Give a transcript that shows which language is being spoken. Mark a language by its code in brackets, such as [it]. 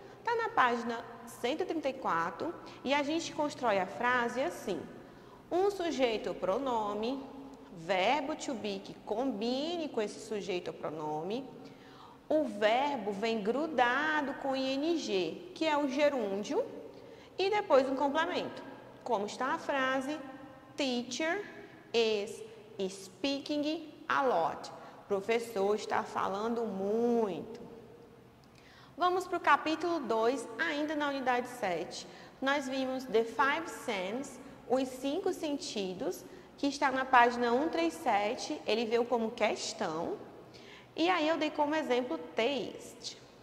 [pt] Está na página 134 e a gente constrói a frase assim: um sujeito ou pronome, verbo to be que combine com esse sujeito ou pronome. O verbo vem grudado com ing, que é o gerúndio, e depois um complemento. Como está a frase? [en] Teacher is speaking a lot. [pt] Professor está falando muito. Vamos para o capítulo 2, ainda na unidade 7. Nós vimos The Five Senses, os cinco sentidos, que está na página 137. Ele veio como questão. E aí eu dei como exemplo taste.